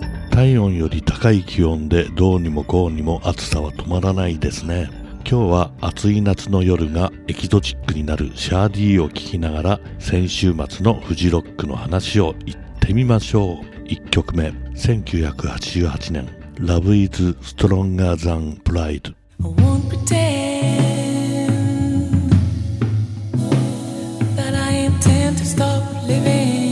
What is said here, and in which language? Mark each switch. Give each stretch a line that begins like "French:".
Japanese: 体温より高い気温でどうにもこうにも暑さは止まらないですね。今日は暑い夏の夜がエキゾチックになるシャーディーを聞きながら、先週末のフジロックの話を言ってみましょう。 1曲目、1988年 Love is Stronger Than Pride。
English: I won't pretend that I intend to stop living